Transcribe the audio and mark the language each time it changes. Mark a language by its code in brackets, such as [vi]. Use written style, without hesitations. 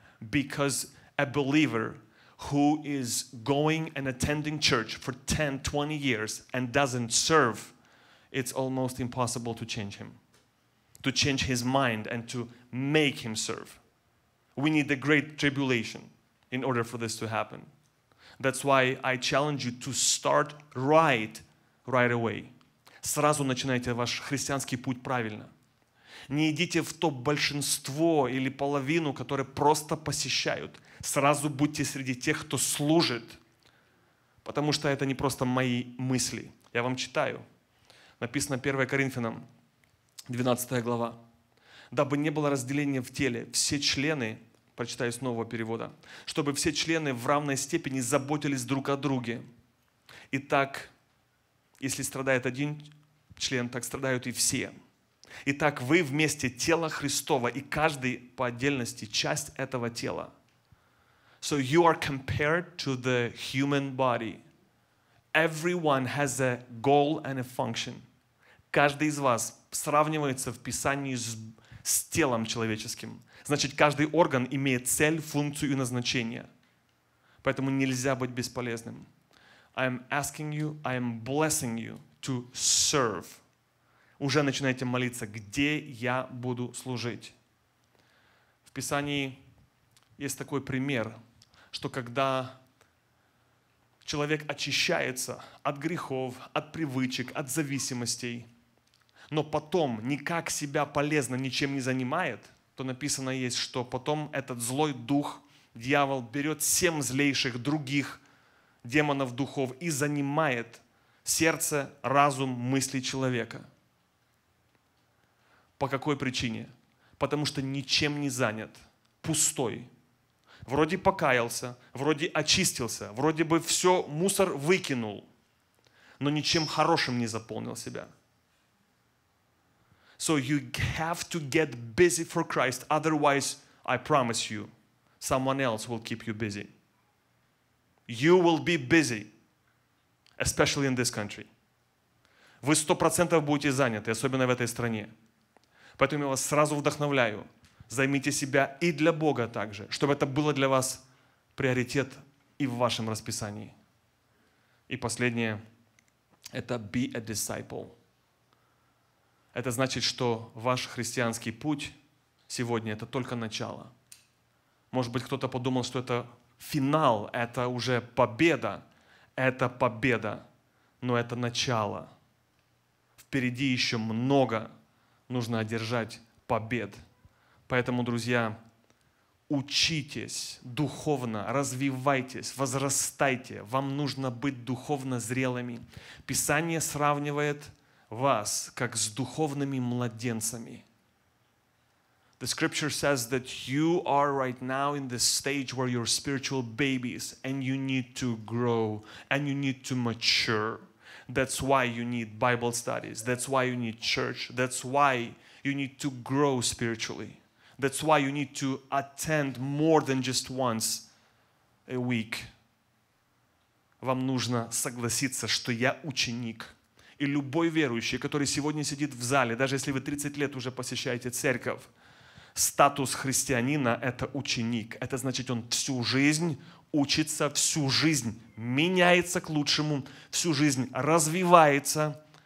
[en] Because a believer who is going and attending church for 10, 20 years and doesn't serve, it's almost impossible to change him, to change his mind and to make him serve. We need the great tribulation in order for this to happen. That's why I challenge you to start right away. [ru] Сразу начинайте ваш христианский путь правильно. Не идите в то большинство или половину, которые просто посещают. Сразу будьте среди тех, кто служит. Потому что это не просто мои мысли. Я вам читаю. Написано 1 Коринфянам, 12 глава. «Дабы не было разделения в теле, все члены, прочитаю с нового перевода, чтобы все члены в равной степени заботились друг о друге. Итак, если страдает один член, так страдают и все. Итак, вы вместе тело Христово, и каждый по отдельности часть этого тела. [en] So you are compared to the human body. Everyone has a goal and a function. [ru] Каждый из вас сравнивается в Писании с телом человеческим. Значит, каждый орган имеет цель, функцию и назначение. Поэтому нельзя быть бесполезным. [en] I am asking you, I am blessing you to serve. [ru] Уже начинайте молиться, где я буду служить. В Писании есть такой пример, что когда человек очищается от грехов, от привычек, от зависимостей, но потом никак себя полезно ничем не занимает, то написано есть, что потом этот злой дух, дьявол, берет семь злейших других демонов духов и занимает сердце, разум, мысли человека. По какой причине? Потому что ничем не занят, пустой. Вроде покаялся, вроде очистился, вроде бы все мусор выкинул, но ничем хорошим не заполнил себя. [en] So you have to get busy for Christ, otherwise, I promise you, someone else will keep you busy. You will be busy, especially in this country. [ru] Вы 100% будете заняты, особенно в этой стране. Поэтому я вас сразу вдохновляю. Займите себя и для Бога также, чтобы это было для вас приоритет и в вашем расписании. И последнее – это [en] be a disciple. [ru] Это значит, что ваш христианский путь сегодня – это только начало. Может быть, кто-то подумал, что это финал, это уже победа. Это победа, но это начало. Впереди еще много нужно одержать побед. Поэтому, друзья, учитесь духовно, развивайтесь, возрастайте. Вам нужно быть духовно зрелыми. Писание сравнивает вас как с духовными младенцами. [en] The scripture says that you are right now in the stage where you're spiritual babies and you need to grow and you need to mature. That's why you need Bible studies. That's why you need church. That's why you need to grow spiritually. That's why you need to attend more than just once a week. [ru] Вам нужно согласиться, что я ученик. И любой верующий, который сегодня сидит в зале, даже если вы 30 лет уже посещаете церковь, статус христианина – это ученик. Это значит, он всю жизнь учится, всю жизнь меняется к лучшему, всю жизнь развивается.